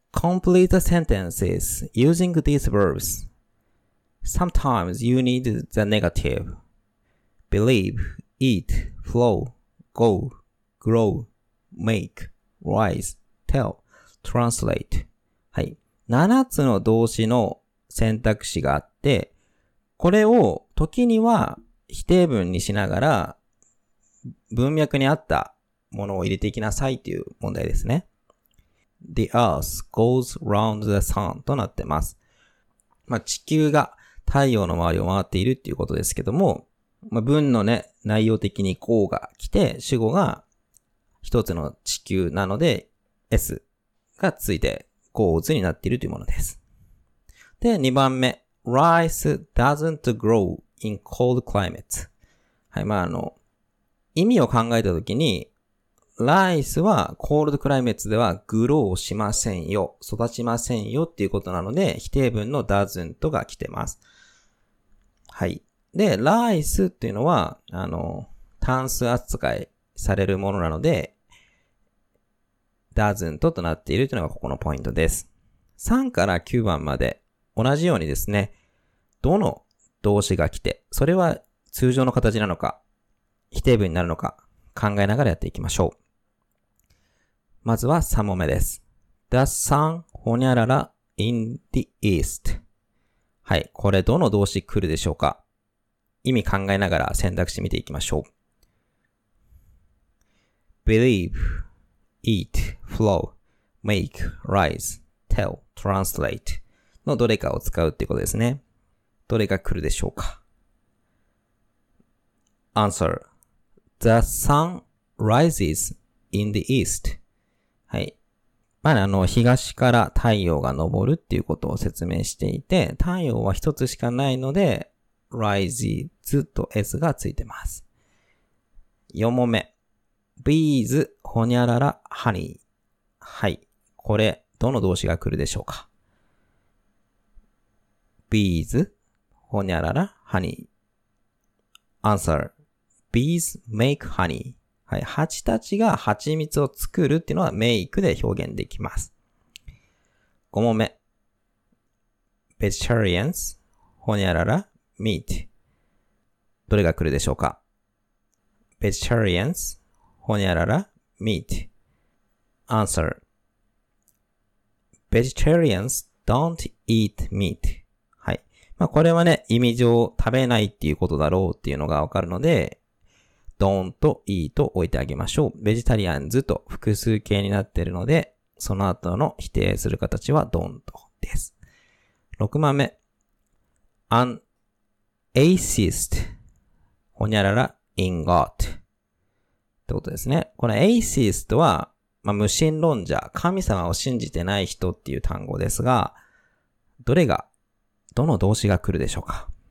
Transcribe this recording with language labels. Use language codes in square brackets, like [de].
[en] Complete the sentences using these verbs. Sometimes you need the negative. Believe, eat, flow, go, grow, make, rise, tell, translate. [ja] はい。 7つの動詞の選択肢があって、これを時には否定文にしながら文脈に合ったものを入れていきなさいという問題ですね。 [en] The earth goes round the sun [ja] となってます。まあ、地球が太陽の周りを回っているっていうことですけども、まあ、文のね、内容的にこうが来て、主語が一つの地球なので、S がついて、こう図になっているというものです。で、2番目。 [en] Rice doesn't grow in cold climates。 [ja] はい、まあ、意味を考えたときに、ライスはコールドクライメッツではグローしませんよ、育ちませんよっていうことなので否定文の doesn't が来てます。はい。で、ライスっていうのは単数扱いされるものなので doesn't となっているというのがここのポイントです。 3から9番まで同じようにですね、どの動詞が来て、それは通常の形なのか否定文になるのか考えながらやっていきましょう。まずは3問目です。 [en] The sun ほにゃらら in the east。 [ja] はい、これどの動詞来るでしょうか。意味考えながら選択肢見ていきましょう。 [en] Believe, eat, flow, make, rise, tell, translate [ja] のどれかを使うってことですね。どれが来るでしょうか。 [en] AnswerThe sun rises in the east. [ja] はい。まあ、東から太陽が昇るっていうことを説明していて、太陽は一つしかないので、rises と s がついてます。 4問目。 [en] bees, ほにゃらら, honey. [ja] はい。これ、どの動詞が来るでしょうか。 [en] bees, ほにゃらら, honey. Answer. Bees make honey. [ja] はい。蜂たちが蜂蜜を作るっていうのは make で表現できます。 5問目。 [en] Vegetarians, ほにゃらら, meat. [ja] どれが来るでしょうか? [en] Vegetarians, ほにゃらら, meat. Answer. Vegetarians don't eat meat. [ja] はい。まあ、これはね、意味上食べないっていうことだろうっていうのがわかるので、ドンとイーと置いてあげましょう。ベジタリアンズと複数形になっているので、その後の否定する形はドンとです。 6番目。 [en] An atheist, ほにゃらら in God. [ja] ってことですね。この atheist は、まあ、無神論者、神様を信じてない人っていう単語ですが、どの動詞が来るでしょうか。